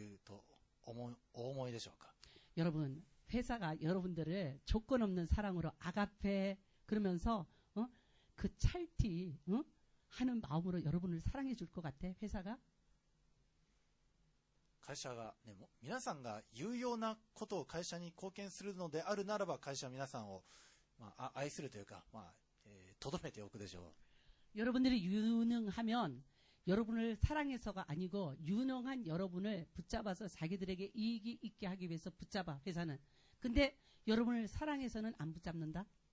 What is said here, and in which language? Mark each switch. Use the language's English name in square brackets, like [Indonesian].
[Japanese] 悪い人に投資を受けると会社がそうなる。会社組織の中においては、会社が皆さんを愛アガペで愛しているとお思いでしょうか。 [Korean] 여러분, 회사가 여러분들을 조건 없는 사랑으로 아가페 그러면서 어? 그 찰티 어? 하는 마음으로 여러분을 사랑해 줄 것 같아. 회사가 [Japanese] 会社が、でも皆さんが有用なことを会社に貢献するのであるならば、会社は皆さんを愛するというか、とどめておくでしょう。 [Korean] 여러분들이 유능하면 여러분을 사랑해서가 아니고 유능한 여러분을 붙잡아서 자기들에게 이익이 있게 하기 위해서 붙잡아 회사는. 근데 여러분을 사랑해서는 안 붙잡는다.